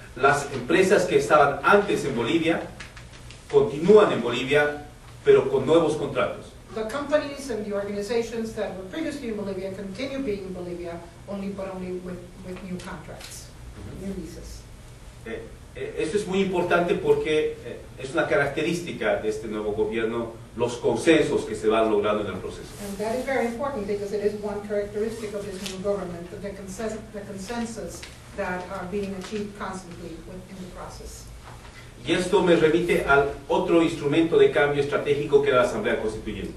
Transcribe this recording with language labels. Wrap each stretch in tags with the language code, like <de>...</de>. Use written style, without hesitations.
<es>Las empresas que estaban antes en Bolivia continúan en Bolivia, pero con nuevos contratos.</es> <en>The companies and the organizations that were previously in Bolivia continue being in Bolivia, only with new contracts, new leases.</en> <es>Esto es muy importante porque es una característica de este nuevo gobierno, los consensos que se van logrando en el proceso.</es> <en>And that is very important because it is one characteristic of this new government, the consensus that are being achieved constantly in the process.</en> <es>Y esto me remite al otro instrumento de cambio estratégico que era la Asamblea Constituyente.</es>